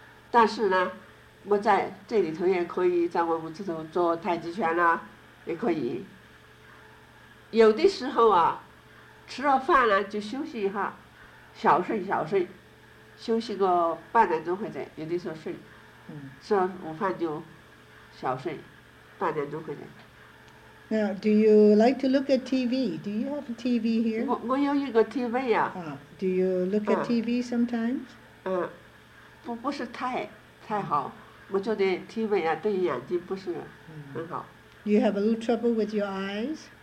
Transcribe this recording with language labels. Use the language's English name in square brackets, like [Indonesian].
[Chinese] 但是呢, 我在这里头也可以, 在我屋子头做太极拳啊, 也可以。有的时候啊, 吃了饭啊, 就休息一下, 小睡, 休息个半点钟或者, 有的时候睡, 吃了午饭就小睡。 [English] Now, do you like to look at TV? Do you have a TV here? [Chinese] 我有一个TV啊。 [English] Do you look at TV sometimes? [Chinese] 不是太好。我觉得TV啊对眼睛不是很好。 [English] You have a little trouble with your eyes?